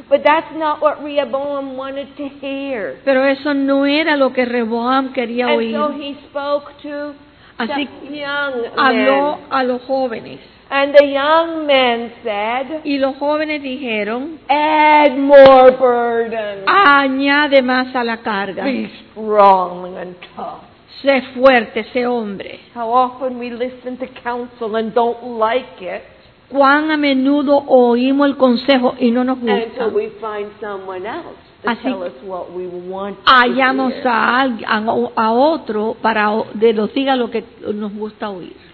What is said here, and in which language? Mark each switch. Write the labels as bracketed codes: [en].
[en] But that's not what Rehoboam wanted to hear. [es] Pero eso no era lo que Rehoboam quería oír. [en] And so he spoke to [es] Así, [en] the young men. [es] Habló a los jóvenes. [en] And the young men said, [es] y los jóvenes dijeron, [en] add more burden. [es] Añade más a la carga. [en] Be strong and tough. [es] Sé fuerte, sé hombre. [en] How often we listen to counsel and don't like it. [es] Cuán a menudo oímos el consejo y no nos gusta. [en] Until we find someone else. To [es] Así, [en] tell us what we want to [es] hallamos a otro para que nos diga lo que nos gusta oír.